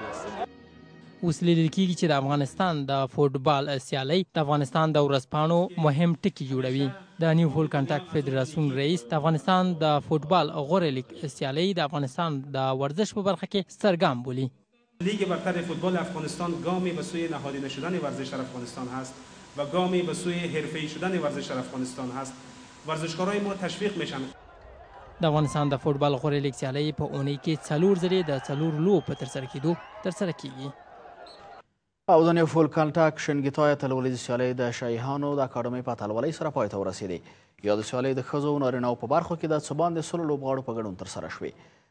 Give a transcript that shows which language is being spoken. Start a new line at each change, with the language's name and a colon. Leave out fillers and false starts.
Persian: هستند.
Pashto: اوس لیدل کیږي چې د افغانستان د فوټبال سیالۍ د افغانستان د ورځپاڼو مهم ټکی جوړوي. د نیو فول کانټاکټ فدراسیون رئیس د افغانستان د فوټبال غوره لیګ سیالۍ د افغانستان د ورزش په برخه کې سرګام بولي.
Persian: لیګ برتر فوټبال افغانستان ګامی به سوی نهادینه شدن ورزش در افغانستان هست و ګامی به سوی حرفه‌ای شدن ورزش در افغانستان هست. ورزشکارای ما تشویق میشن.
Pashto: د افغانستان د فوټبال غوره لیګ سیالۍ په اونۍ کې 4 ځله د 4 لو په ترسره کېدو ترسره کیږي. او د نیو فول کانټاکټ شنګیتای تلولې سیالۍ د شایهانو د اکاډمۍ په تلولۍ سره پای ته ورسېدې. یاد سیالۍ د ښځو او نارینهو په برخو کې د څو باندې 16 لوبغاړو په ګډون ترسره شوې.